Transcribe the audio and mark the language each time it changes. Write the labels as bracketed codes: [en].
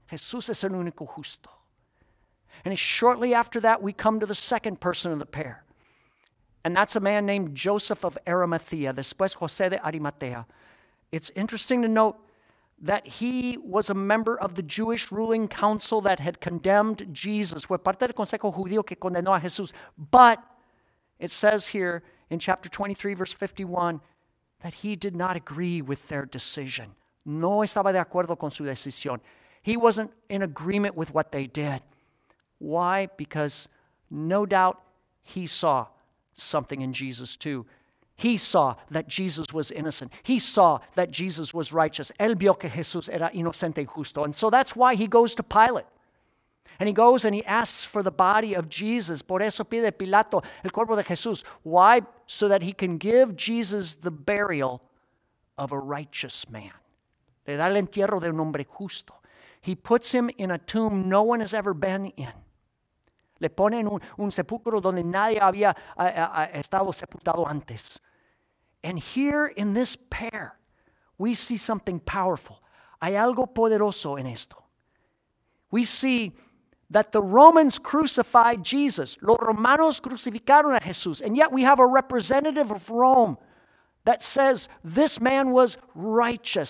[es] Jesús es el único justo. [en] And shortly after that, we come to the second person of the pair. And that's a man named Joseph of Arimathea, después José de Arimatea. It's interesting to note that he was a member of the Jewish ruling council that had condemned Jesus. [es] Fue parte del consejo judío que condenó a Jesús. [en] But it says here in chapter 23, verse 51, that he did not agree with their decision. [es] No estaba de acuerdo con su decisión. [en] He wasn't in agreement with what they did. Why? Because no doubt he saw something in Jesus too. He saw that Jesus was innocent. He saw that Jesus was righteous. [es] Él vio que Jesús era inocente y justo. [en] And so that's why he goes to Pilate. And he goes and he asks for the body of Jesus. [es] Por eso pide Pilato el cuerpo de Jesús. [en] Why? So that he can give Jesus the burial of a righteous man. [es] Le da el entierro de un hombre justo. [en] He puts him in a tomb no one has ever been in. [es] Le pone en un sepulcro donde nadie había estado sepultado antes. [en] And here in this pair, we see something powerful. [es] Hay algo poderoso en esto. [en] We see that the Romans crucified Jesus. [es] Los romanos crucificaron a Jesús. [en] And yet we have a representative of Rome that says this man was righteous.